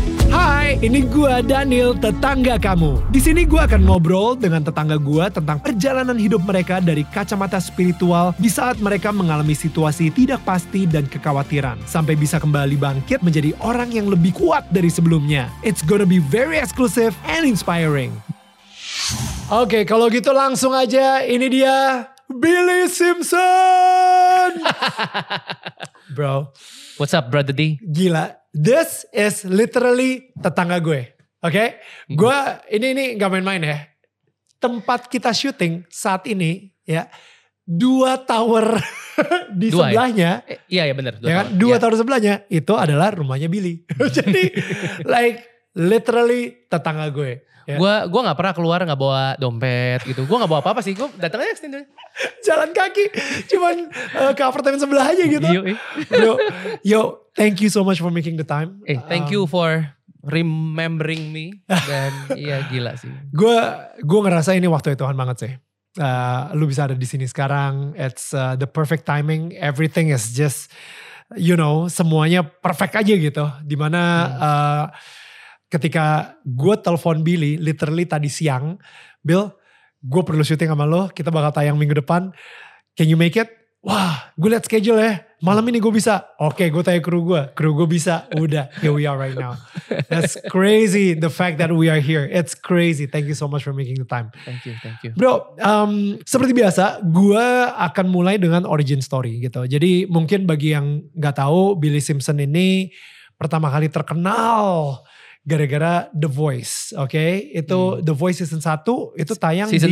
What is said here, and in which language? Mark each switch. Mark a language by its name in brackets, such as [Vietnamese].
[Indonesian] Hai, ini gue Daniel, tetangga kamu. Di sini gue akan ngobrol dengan tetangga gue tentang perjalanan hidup mereka dari kacamata spiritual di saat mereka mengalami situasi tidak pasti dan kekhawatiran. Sampai bisa kembali bangkit menjadi orang yang lebih kuat dari sebelumnya. [English] It's gonna be very exclusive and inspiring. [Indonesian] Oke, kalau gitu langsung aja, ini dia... Billy Simpson! Bro. [English] What's up, Brother D? [Indonesian] Gila. [English] This is literally [Indonesian] tetangga gue. Oke? Gue, ini gak main-main ya. Tempat kita syuting saat ini, ya. Dua tower di dua, sebelahnya. Iya, ya, bener. Dua, ya kan? Tower. Dua tower sebelahnya, itu adalah rumahnya Billy. Jadi, like, literally tetangga gue. Ya. Gue gak pernah keluar, gak bawa dompet gitu. Gue gak bawa apa-apa sih. Gue datang aja ke sini. Jalan kaki, cuman ke apartemen sebelah aja gitu. [English] Yo, yo, yo, thank you so much for making the time. Hey, thank you for remembering me. [Indonesian] Dan iya gila sih. Gue ngerasa ini waktu Tuhan banget sih. Lu bisa ada di sini sekarang. [English] It's the perfect timing. Everything is just, you know, [Indonesian] semuanya perfect aja gitu. Dimana ketika gue telepon Billy, literally tadi siang, Bill. Gue perlu syuting sama lo, kita bakal tayang minggu depan. [English] Can you make it? [Indonesian] Wah, gue liat schedule ya. Malam ini gue bisa. Oke, gue tanya kru gue. Kru gue bisa. [English] Udah, here we are right now. That's crazy, the fact that we are here. It's crazy. Thank you so much for making the time. Thank you. [Indonesian] Bro, seperti biasa, gue akan mulai dengan origin story gitu. Jadi mungkin bagi yang gak tahu, Billy Simpson ini pertama kali terkenal... gara-gara The Voice, oke? Okay? Itu The Voice season 1, itu tayang [English] season